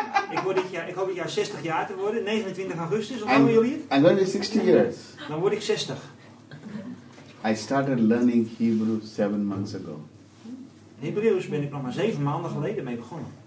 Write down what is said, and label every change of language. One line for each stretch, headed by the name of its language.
Dutch: ik hoop dit jaar 60 jaar te worden. 29 augustus, of hoe wil je
English: het? I'm going to be 60 years.
Dutch: Dan word ik 60.
English: I started learning Hebrew 7 months ago.
Dutch: In Hebreeuws ben ik nog maar 7 maanden geleden mee begonnen.